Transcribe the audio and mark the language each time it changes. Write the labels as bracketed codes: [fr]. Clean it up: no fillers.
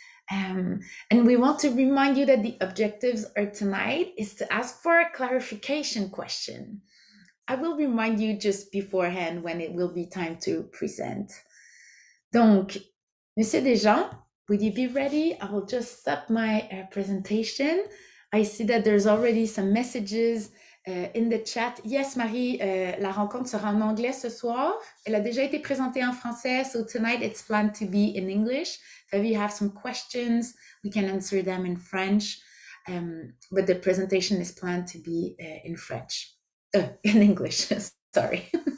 [en] And we want to remind you that the objectives of tonight is to ask for a clarification question. I will remind you just beforehand when it will be time to present. Donc, Monsieur Dejean, would you be ready? I will just stop my presentation. I see that there's already some messages in the chat. [fr] Yes, Marie, la rencontre sera en anglais ce soir. Elle a déjà été présentée en français, [en] so tonight it's planned to be in English. If you have some questions, we can answer them in French, but the presentation is planned to be in French, in English, sorry.